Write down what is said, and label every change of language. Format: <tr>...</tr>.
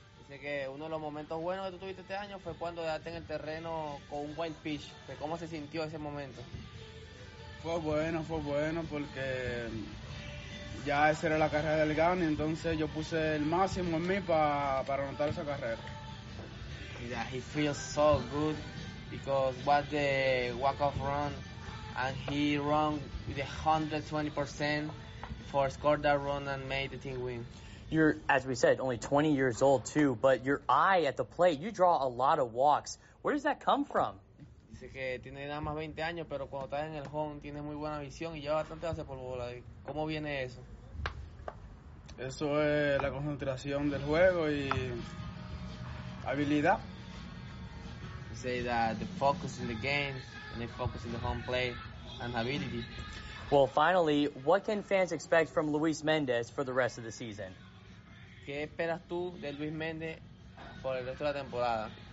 <es>Dice que uno de los momentos buenos que tú tuviste este año fue cuando dejaste en el terreno con un wild pitch. ¿Cómo se sintió ese momento? Fue bueno porque ya esa era la carrera del Gano y entonces yo puse el máximo en mí para anotar esa carrera.</es> <en>Yeah, it feels so good. Because what the walk-off run, and he run with 120% for score that run and made the team win. You're, as we said, only 20 years old too, but your eye at the plate, you draw a lot of walks. Where does that come from?</en> <es>Dice que tiene nada más 20 años, pero cuando está en el home tiene muy buena visión y lleva bastante base por bola. ¿Cómo viene eso? Eso es la concentración del juego y habilidad.</es> <en>Say that the focus in the game and the focus in the home plate and ability. Well, finally, what can fans expect from Luis Méndez for the rest of the season?</en> <es>¿Qué esperas tú de Luis Méndez por el resto de la temporada?</es>